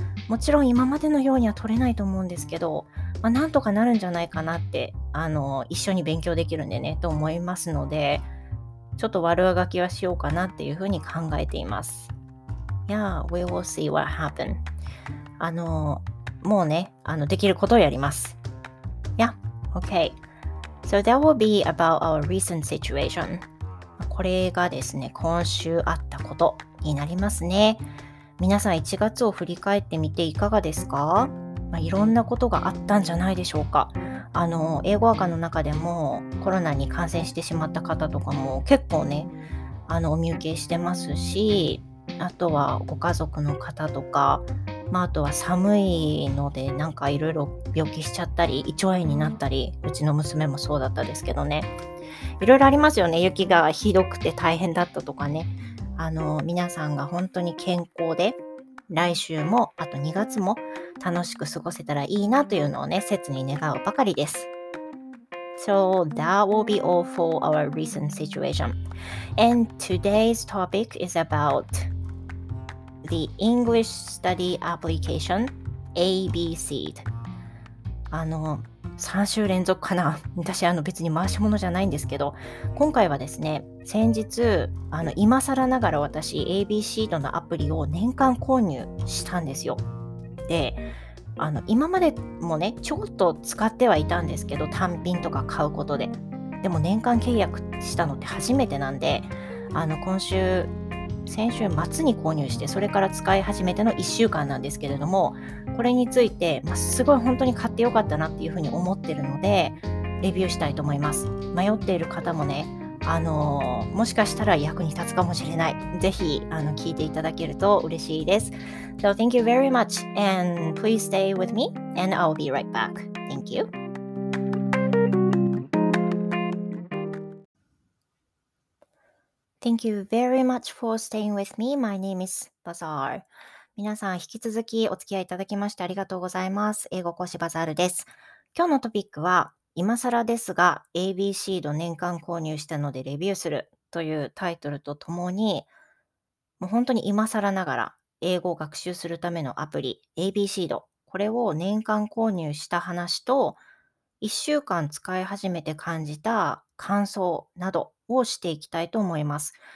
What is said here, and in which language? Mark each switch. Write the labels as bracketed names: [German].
[Japanese] もちろん今までのようには取れないと思うんですけど、まあ、なんとかなるんじゃないかなって、一緒に勉強できるんでねと思いますので、ちょっと悪あがきはしようかなっていうふうに考えています。 [English] Yeah, we will see what happen. [Japanese] もうね、できることをやります。 [English] Yeah, okay. So that will be about our recent situation. [Japanese] これがですね、今週あったことになりますね。皆さん1月を振り返ってみていかがですか？まあ、いろんなことがあったんじゃないでしょうか。英語アカの中でもコロナに感染してしまった方とかも結構ね、お見受けしてますし、あとはご家族の方とか、まあ、あとは寒いのでなんかいろいろ病気しちゃったり胃腸炎になったり、うちの娘もそうだったですけどね、いろいろありますよね。雪がひどくて大変だったとかね、皆さんが本当に健康で来週もあと2月も楽しく過ごせたらいいなというのをね、切に願うばかりです。 [English] So that will be all for our recent situation. And today's topic is about the English study application ABC. [Japanese] 3週連続かな。私別に回し物じゃないんですけど、今回はですね、先日今更ながら私 ABC のアプリを年間購入したんですよ。で、今までもねちょっと使ってはいたんですけど、単品とか買うことで、でも年間契約したのって初めてなんで、今週先週末に購入して、それから使い始めての1週間なんですけれども、これについて、まあ、すごい本当に買ってよかったなっていうふうに思ってるので、レビューしたいと思います。迷っている方もね、もしかしたら役に立つかもしれない。ぜひ、聞いていただけると嬉しいです。 [English] So thank you very much, and please stay with me, and I'll be right back. Thank you. Thank you very much for staying with me. My name is Bazaar. [Japanese] 皆さん引き続きお付き合いいただきましてありがとうございます。英語講師バザールです。今日のトピックは、今更ですが ABC の年間購入したのでレビューするというタイトルとともに、もう本当に今更ながら英語を学習するためのアプリ ABC の、これを年間購入した話と、1週間使い始めて感じた感想などをしていきたいと思います。